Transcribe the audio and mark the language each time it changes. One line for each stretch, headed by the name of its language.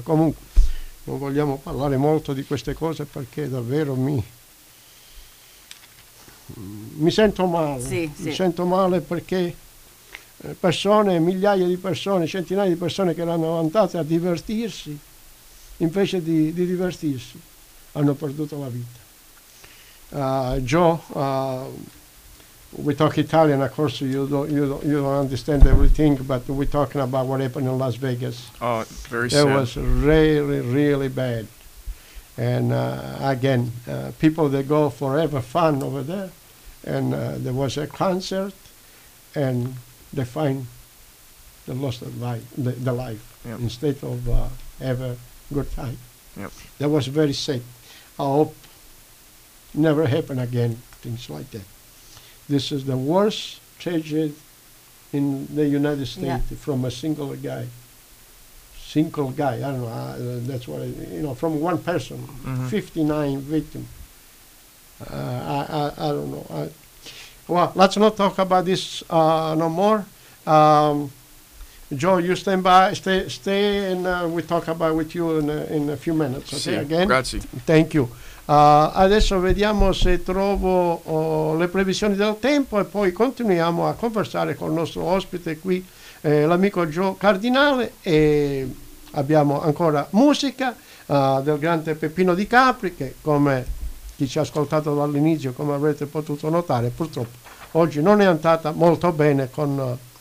Italian: Comunque, non vogliamo parlare molto di queste cose, perché davvero mi sento male. Sì, mi sì. Sento male perché persone, migliaia di persone, centinaia di persone che erano andate a divertirsi, invece di divertirsi, hanno perduto la vita.
English: Joe, we talk Italian, of course, you don't understand everything, but we're talking about what happened in Las Vegas. Oh, very sad. It was really, really bad. And again, people, they go forever fun over there, and there was a concert, and they find they lost the life yep. instead of ever good time. Yep. That was very sad. I hope never happen again, things like that. This is the worst tragedy in the United States yeah. from a single guy. That's what, from one person, mm-hmm. 59 victims. I don't know. Let's not talk about this no more. Joe, you stand by, stay, and we'll talk about with you in a few minutes. Okay,
Italian: si.
English: Again.
Italian: Grazie.
English: Thank you.
Italian: Adesso vediamo se trovo le previsioni del tempo e poi continuiamo a conversare con il nostro ospite qui, l'amico Joe Cardinale, e abbiamo ancora musica del grande Peppino Di Capri, che, come chi ci ha ascoltato dall'inizio, come avrete potuto notare, purtroppo oggi non è andata molto bene con